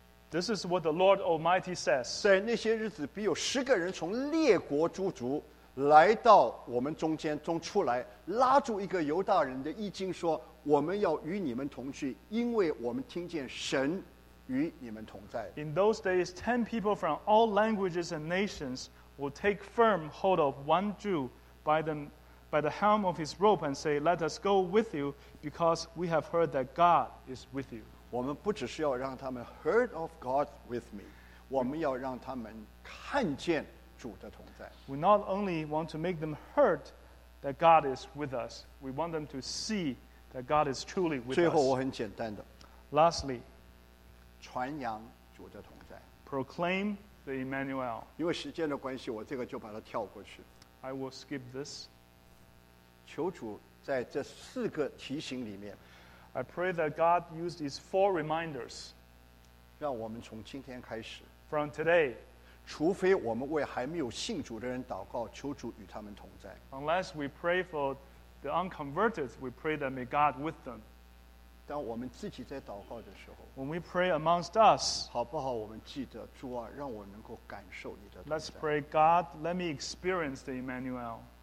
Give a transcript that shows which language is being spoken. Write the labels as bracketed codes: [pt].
[en] This is what the Lord Almighty says. [zh] 在那些日子，必有十个人从列国诸族来到我们中间中出来，拉住一个犹大人的衣襟，说：“我们要与你们同去，因为我们听见神与你们同在。” [en] In those days, 10 people from all languages and nations will take firm hold of one Jew by the helm of his robe and say, "Let us go with you, because we have heard that God is with you." [zh] 我们不只是要让他们 [en] heard of God with me， [zh] 我们要让他们看见主的同在。 [en] We not only want to make them heard that God is with us, we want them to see that God is truly with us. [zh] 最后，我很简单的。 [en] Lastly， [zh] 传扬主的同在。 [en] Proclaim the Emmanuel. [zh] 因为时间的关系，我这个就把它跳过去。 [en] I will skip this. [zh] 求主在这四个提醒里面。 [en] I pray that God use these four reminders. [zh] 让我们从今天开始。 [en] From today. [zh] 除非我们为还没有信主的人祷告，求主与他们同在。 [en] Unless we pray for the unconverted, we pray that may God with them. [zh] 当我们自己在祷告的时候。 [en] When we pray amongst us. [zh] 好不好？我们记得主啊，让我能够感受你的同在。 [en] Let's pray, God, let me experience the Emmanuel.